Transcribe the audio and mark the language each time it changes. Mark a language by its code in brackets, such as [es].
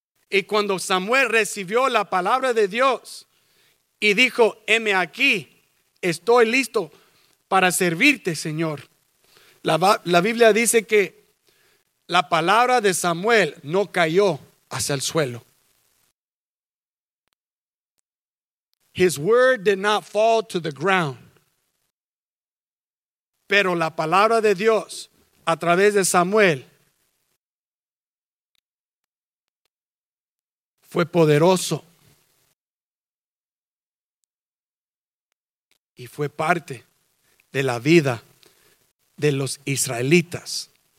[es] Y cuando Samuel recibió la palabra de Dios y dijo, heme aquí, estoy listo para servirte, Señor. La Biblia dice que la palabra de Samuel no cayó hacia el suelo. [en] His word did not fall to the ground. [es] Pero la palabra de Dios a través de Samuel fue poderoso y fue parte de la vida de los israelitas.